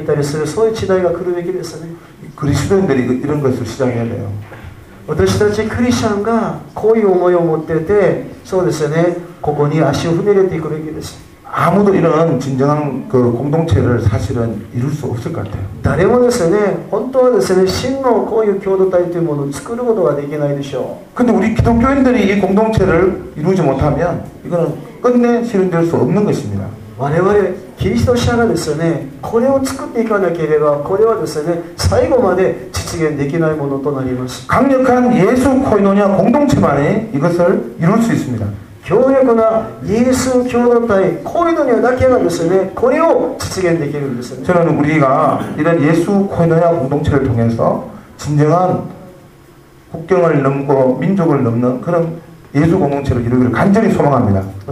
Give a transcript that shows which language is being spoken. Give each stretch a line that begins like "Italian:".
Japanese: そうですね。中国のですね、上海大臣っていう車ですね。運転してても韓国も日本も行ったり来たりするそういう時代が来るべきですね。
Korean: 그리스도인들이 이런 것을 시작해야 돼요.
Japanese: 私たち クリスチャンが こういう思いを持ってて、そうですね。ここに足を踏み入れていくべきです。
Korean: 아무도 이런 진정한 그 공동체를 사실은 이룰 수 없을 것 같아요.
Japanese: 誰もですね、本当はですね、真のこういう共同体というものを作ることはできないでしょう。
Korean: 근데 우리 기독교인들이 이 공동체를 이루지 못하면 이거는 끝내 실현될 수 없는 것입니다.
Japanese: 我々キリスト者がですね、これを作っていかなければ、これはですね、最後まで実現できないものとなります。
Korean: 강력한 예수 코이노냐 공동체만이 이것을 이룰 수 있습니다.
Japanese: 強力なイエス共同体コイノニアだけがですね、これを実現できるんですね。
Korean: 저는 우리가 이런 예수 코이노니아 공동체를 통해서 진정한 국경을 넘고 민족을 넘는 그런 예수 공동체를 이루기를 간절히 소망합니다.